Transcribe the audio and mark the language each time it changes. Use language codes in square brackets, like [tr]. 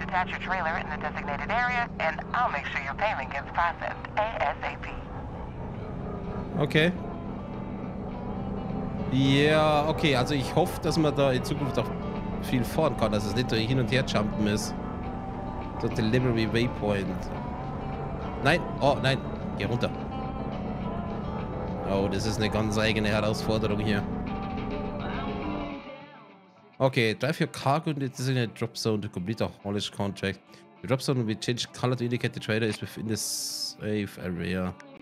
[en] Your trailer in the designated area, and I'll make sure your payment gets processed ASAP. Okay. [de] Ja, yeah, okay, also ich hoffe, dass man da in Zukunft auch viel fahren kann, dass es nicht hin und her jumpen ist. So Delivery Waypoint. Nein, oh nein, geh runter. Oh, das ist eine ganz eigene Herausforderung hier. [en] Okay, drive your cargo in the designated drop zone to complete a haulage contract. The drop zone will be changed color to indicate the trailer is within the safe area.